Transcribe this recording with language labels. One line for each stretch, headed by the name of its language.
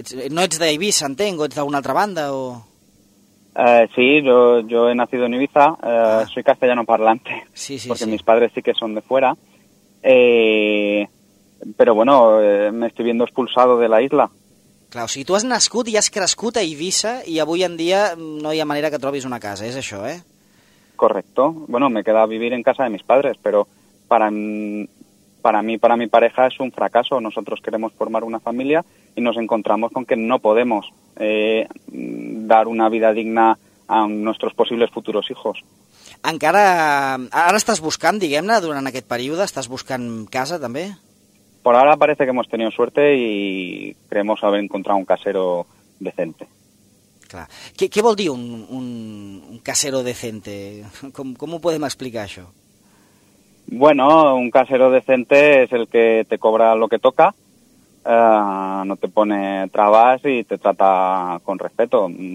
Catalan: ¿No ets d'Eivissa, entenc, ets d'alguna altra banda o...?
Spanish: Sí, yo he nacido en Eivissa, soy castellano parlante, sí. Mis padres sí que son de fuera, pero bueno, me estoy viendo expulsado de la isla.
Catalan: Clar, o sigui, tu has nascut i has crescut a Eivissa i avui en dia no hi ha manera que trobis una casa, és això, eh?
Spanish: Correcto, bueno, me queda vivir en casa de mis padres, pero para mí, para mi pareja es un fracaso. Nosotros queremos formar una familia y nos encontramos con que no podemos dar una vida digna a nuestros posibles futuros hijos.
Catalan: Encara, ara estàs buscant, diguem-ne, durant aquest període, estàs buscant casa també?
Spanish: Por ahora parece que hemos tenido suerte y creemos haber encontrado un casero decente.
Catalan: Clar. Què vol dir
Spanish: un casero decente?
Catalan: Com ho podem explicar això?
Spanish: Bueno, un casero decente es el que te cobra lo que toca, no te pone trabas y te trata con respeto.